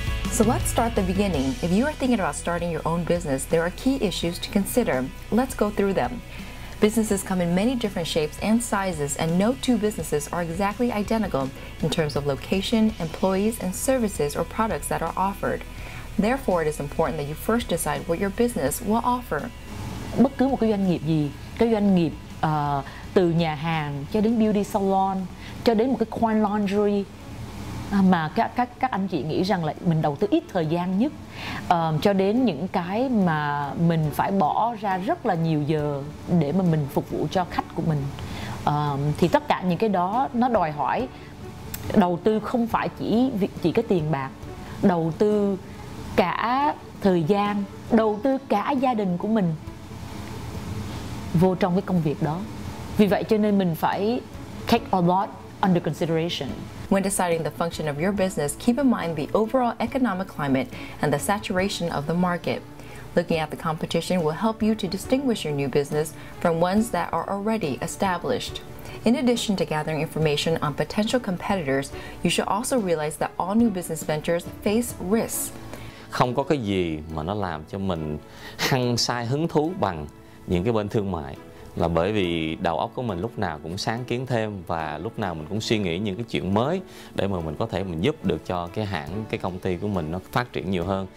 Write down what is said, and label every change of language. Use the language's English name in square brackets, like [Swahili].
[English] So let's start at the beginning. If you are thinking about starting your own business, there are key issues to consider. Let's go through them. Businesses come in many different shapes and sizes, and no two businesses are exactly identical in terms of location, employees, and services or products that are offered. Therefore, it is important that you first decide what your business will offer. [Vietnamese] Bất cứ một cái doanh nghiệp gì, cái doanh nghiệp từ nhà hàng cho đến beauty salon, cho đến một cái coin laundry, mà các anh chị nghĩ rằng là mình đầu tư ít thời gian nhất, cho đến những cái mà mình phải bỏ ra rất là nhiều giờ để mà mình phục vụ cho khách của mình, thì tất cả những cái đó nó đòi hỏi đầu tư không phải chỉ cái tiền bạc, đầu tư cả thời gian, đầu tư cả gia đình của mình vô trong cái công việc đó. Vì vậy cho nên mình phải [English] take a lot under consideration. When deciding the function of your business, keep in mind the overall economic climate and the saturation of the market. Looking at the competition will help you to distinguish your new business from ones that are already established. In addition to gathering information on potential competitors, you should also realize that all new business ventures face risks. [Vietnamese] Không có cái gì mà nó làm cho mình hăng say hứng thú bằng những cái bên thương mại. Là bởi vì đầu óc của mình lúc nào cũng sáng kiến thêm và lúc nào mình cũng suy nghĩ những cái chuyện mới để mà mình có thể mình giúp được cho cái hãng, cái công ty của mình nó phát triển nhiều hơn.